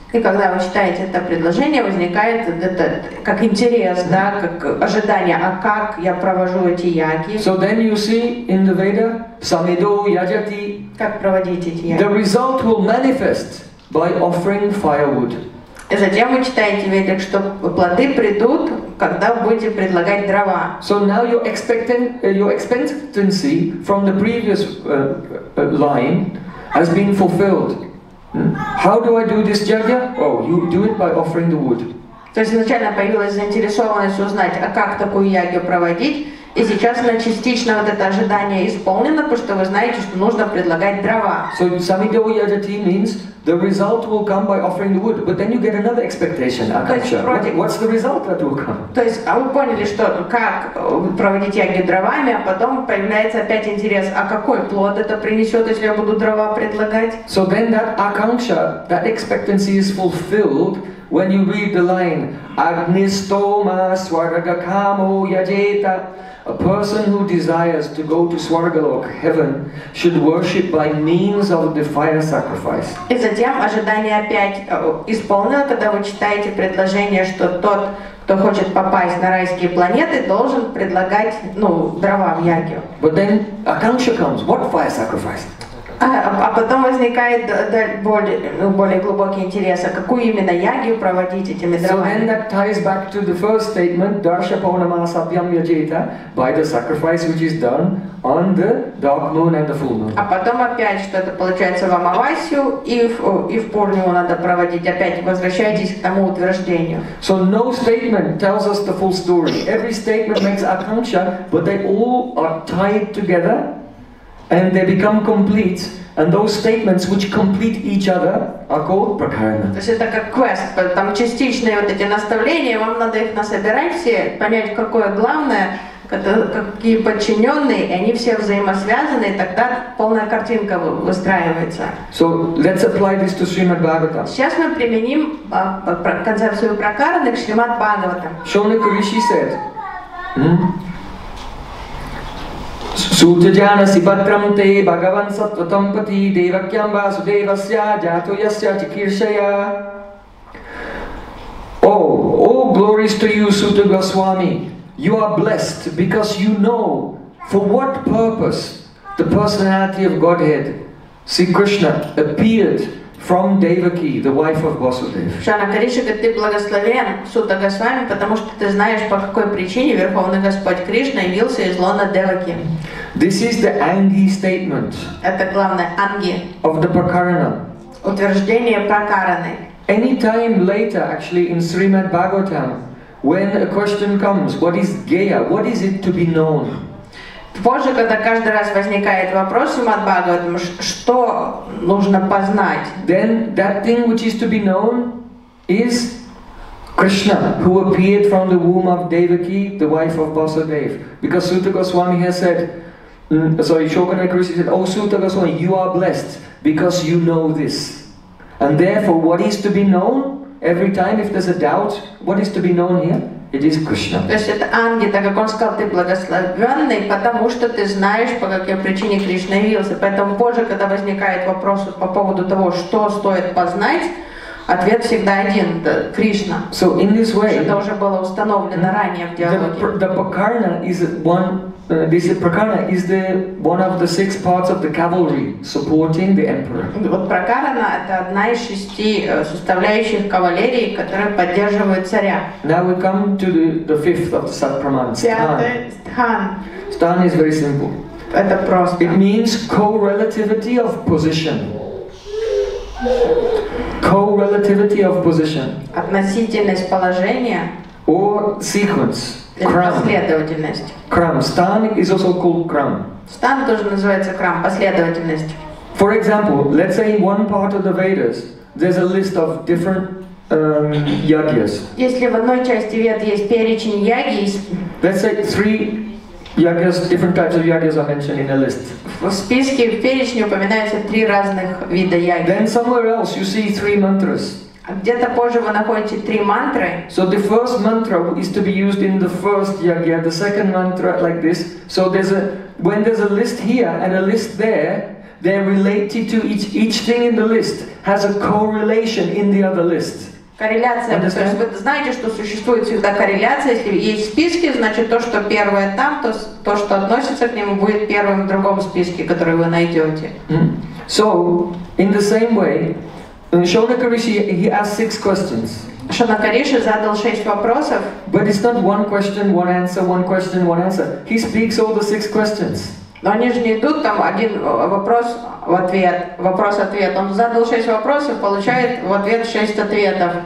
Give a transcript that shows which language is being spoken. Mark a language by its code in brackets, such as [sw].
[ru] И когда вы читаете это предложение, возникает это как интерес, да, как ожидание, а как я провожу эти яги? [en] So then you see in the Veda, [sa] samido yajati. [ru] Как проводить эти яги? [en] The result will manifest by offering firewood. [ru] И затем вы читаете Ведик, что плоды придут, когда будете предлагать дрова. [en] So now your expectancy from the previous line has been fulfilled. How do I do this yagya? Oh, you do it by offering the wood. [ru] То есть изначально появилась заинтересованность узнать, а как такую ягью проводить, и сейчас на частично вот это ожидание исполнено, потому что вы знаете, что нужно предлагать дрова. [en] So [sa] samido yajati [en] means the result will come by offering the wood, but then you get another expectation. What's the result that will come? [ru] То есть, а вы поняли, что как проводить ягью дровами, а потом появляется опять интерес, а какой плод это принесет, если я буду дрова предлагать? [en] So then that akanksha, that expectancy is fulfilled when you read the line [sa] Agnistoma Swarga Kamo Yajeta. [en] A person who desires to go to Swargalok, heaven, should worship by means of the fire sacrifice. [ru] И затем ожидание опять исполнено, когда вы читаете предложение, что тот, кто хочет попасть на райские планеты, должен предлагать, ну, дрова в ягью. [en] But then akanksha comes. What fire sacrifice? [ru] А потом возникает более глубокий интерес, а какую именно ягью проводить этими дровами? [en] So then that ties back to the first statement, [sa] Darsha Paunama Sabhyam Yajeta, [en] by the sacrifice which is done on the dark moon and the full moon. [ru] А потом опять что-то получается в Амавасию и в Пурнию надо проводить, опять возвращаетесь к тому утверждению. [en] So no statement tells us the full story. Every statement makes Akansha, but they all are tied together. And they become complete, and those statements which complete each other are called prakarana. [ru] То есть это как квест, там частичные вот эти наставления, вам надо их насобирать все, понять, какое главное, какие подчиненные, и они все взаимосвязаны, и тогда полная картинка выстраивается. [en] So let's apply this to Srimad Bhagavatam. [ru] Сейчас мы применим концепцию прокарны к Шримад Бхагаватам. [en] Шонака Риши said. [sa] Sūtajāna sipatram te bhagavan sattvatam pati devakyam vasudevasya jātoyasya chikirshaya. [en] Oh, all glories to you, Sūta Goswami. You are blessed because you know for what purpose the personality of Godhead, Sri Krishna, appeared from Devaki, the wife of Vasudev. [ru] Шанака Риши говорит, ты благословен, Сута Госвами, потому что ты знаешь, по какой причине Верховный Господь Кришна явился из лона Деваки. [en] This is the Anghi statement. [ru] Это главное, Анги. [en] Of the Prakarana. [ru] Утверждение Пракараны. [en] Any time later, actually, in Srimad Bhagavatam, when a question comes, what is Gaya, what is it to be known? [ru] Позже, когда каждый раз возникает вопрос Шримад Бхагаватам, что нужно познать? [en] Then that thing which is to be known is Krishna, who appeared from the womb of Devaki, the wife of Vasudev. Because Sūta Goswami has said, Shokana Krishna said, oh Sūta Goswami, you are blessed because you know this. And therefore, what is to be known every time if there's a doubt, what is to be known here? It is Krishna. [ru] То есть это Анги, так как он сказал, ты благословенный, потому что ты знаешь, по какой причине Кришна явился. Поэтому позже, когда возникает вопрос по поводу того, что стоит познать, ответ всегда один – Кришна. [en] So in this way, [ru] это уже было установлено ранее в диалоге. [en] The Prakarna is one. This Prakarna is the one of the six parts of the cavalry supporting the emperor. [ru] Вот Пракарана это одна из шести составляющих кавалерии, которая поддерживает царя. [en] Now we come to the fifth of the Satpraman. [ru] Стхан. [en] Стхан is very simple. [ru] Это просто. [en] It means co-relativity of position. Co-relativity of position. [ru] Относительность положения. [en] Or sequence. Крам. Стан is also called крам. [ru] Стан тоже называется крам, последовательность. [en] For example, let's say in one part of the Vedas, there's a list of different yagyas. [ru] Если в одной части Вед есть перечень яги, [en] let's say three yagyas, different types of yagyas are mentioned in a list. [ru] В списке, в перечне упоминаются три разных вида яги. [en] Then somewhere else you see three mantras. [ru] Где-то позже вы находите три мантры. [en] So the first mantra is to be used in the first yagya, the second mantra like this. So there's a when there's a list here and a list there, they're related to each thing in the list has a correlation in the other list. [ru] Корреляция. [en] Understand? [ru] То есть вы знаете, что существует всегда корреляция. Если есть списки, значит то, что первое там, то что относится к нему, будет первым в другом списке, который вы найдете. [en] So in the same way. Shonaka Rishi, he asked six questions. [ru] Shonaka Rishi задал шесть вопросов. [en] But it's not one question, one answer, one question, one answer. He speaks all the six questions. [ru] Но они же не идут там один вопрос в ответ, вопрос-ответ. Он задал шесть вопросов, получает в ответ шесть ответов.